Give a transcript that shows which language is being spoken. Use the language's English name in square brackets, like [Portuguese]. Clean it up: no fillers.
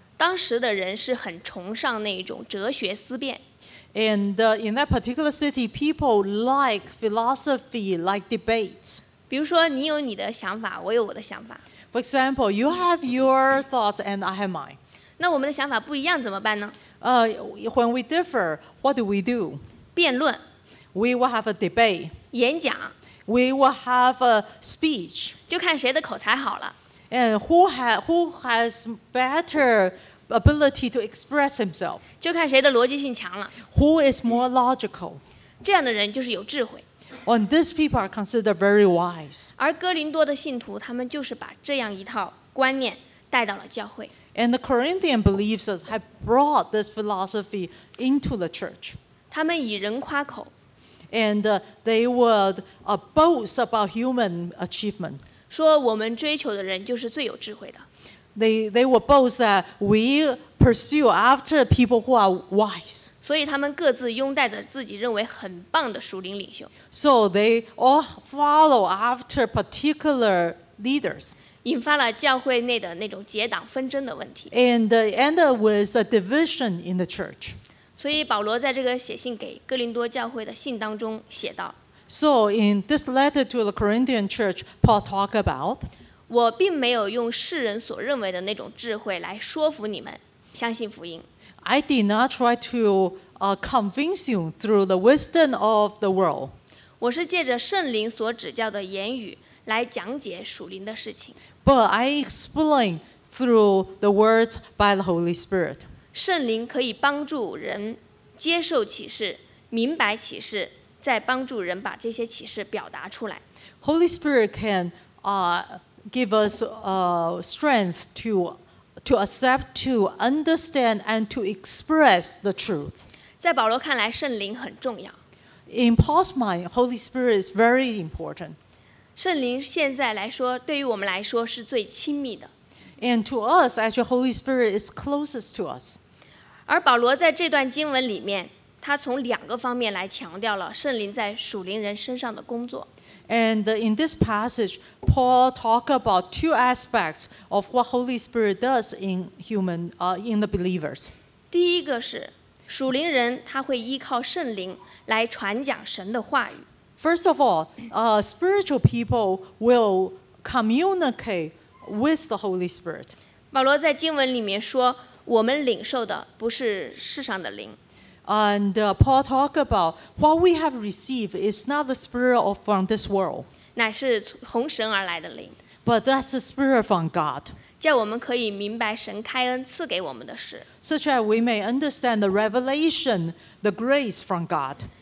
[Chinese] 当时的人是很崇尚那种哲学思辨。 [English] And in that particular city, people like philosophy, like debates. [Chinese] 比如说你有你的想法，我有我的想法。 [English] For example, you have your thoughts and I have mine. [Chinese] 那我们的想法不一样怎么办呢？ [English] When we differ, what do we do? [Chinese] 辩论。 [English] We will have a debate. [Chinese] 演讲。 [English] We will have a speech. [Chinese] 就看谁的口才好了。 [English] And who has better ability to express himself. [Chinese] 就看谁的逻辑性强了。 [English] Who is more logical. [Chinese] 这样的人就是有智慧。 [English] And these people are considered very wise. [Chinese] 而哥林多的信徒他们就是把这样一套观念带到了教会。 [English] And the Corinthian believers have brought this philosophy into the church. [Chinese] 他们以人夸口。 [English] And they would boast about human achievement. [Chinese] 说我们追求的人就是最有智慧的。 [English] They would boast that we pursue after people who are wise. [Chinese] 所以他们各自拥戴着自己认为很棒的属灵领袖。 [English] So they all follow after particular leaders. [Chinese] 引发了教会内的那种结党纷争的问题。 [English] And ended with a division in the church. [Chinese] 所以保罗在这个写信给哥林多教会的信当中写道 [English] So in this letter to the Corinthian church, Paul talk about [Chinese] 我并没有用世人所认为的那种智慧来说服你们相信福音 [English] I did not try to convince you through the wisdom of the world [Chinese] 我是借着圣灵所指教的言语来讲解属灵的事情 [English] But I explain through the words by the Holy Spirit [Chinese] 圣灵可以帮助人接受启示，明白启示，再帮助人把这些启示表达出来。 [English] Holy Spirit can give us strength to accept, to understand, and to express the truth. [Chinese] 在保罗看来，圣灵很重要。 [English] In Paul's mind, Holy Spirit is very important. [Chinese] 圣灵现在来说，对于我们来说是最亲密的。 [English] And to us, actually, Holy Spirit is closest to us. [Chinese] 而保罗在这段经文里面，他从两个方面来强调了圣灵在属灵人身上的工作。 [English] And in this passage, Paul talks about two aspects of what Holy Spirit does in human, in the believers. [Chinese] 第一个是属灵人他会依靠圣灵来传讲神的话语。 [English] First of all, spiritual people will communicate. With the Holy Spirit. [Chinese] 保罗在经文里面说，我们领受的不是世上的灵。 [English] And Paul talk about what we have received is not the spirit of from this world. [Chinese] 乃是从神而来的灵。 [English] But that's the spirit from God. [Chinese] 叫我们可以明白神开恩赐给我们的事。 [English] Such that we may understand the revelation, the grace from God.